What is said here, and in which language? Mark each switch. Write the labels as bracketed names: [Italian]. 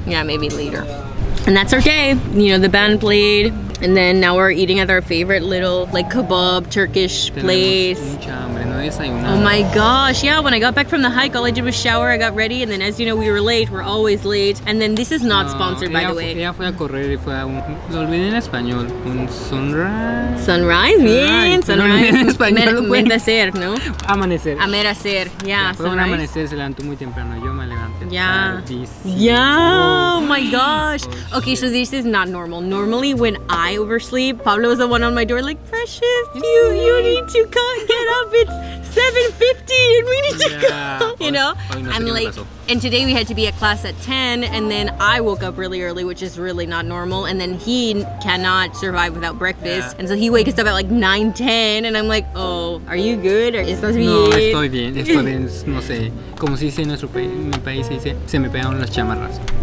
[English] Yeah, maybe later. And that's okay. You know, the band played, and then now we're eating at our favorite little, like, kebab Turkish place. Oh my gosh, yeah, when I got back from the hike, all I did was shower, I got ready, and then as you know, we were late, we're always late. And then this is not sponsored, by the way. [Spanish] Ella fue a correr y fue a un... Lo olvidé en español. Un sunrise. [English] Sunrise, [Spanish] bien. [English] Sunrise. [Spanish] En español, güey. Amanecer, ¿no? Amanecer. Amanecer, [English] yeah, sunrise. [Spanish] Un amanecer, se levantó muy temprano, yo me levanté. [English] Yeah. Yeah, oh my gosh. Okay, so this is not normal. Normally, when I oversleep, Pablo is the one on my door, like, Precious, you need to come get up, it's 7:50 and we need to go, you know? And like, and today we had to be at class at 10 and then I woke up really early, which is really not normal. And then he cannot survive without breakfast. Yeah. And so he wakes up at like 9:10 and I'm like, oh, are you good? Or [Spanish] estás bien? No, estoy bien, no sé. Como se dice en nuestro país, se dice, se me pegaron las chamarras.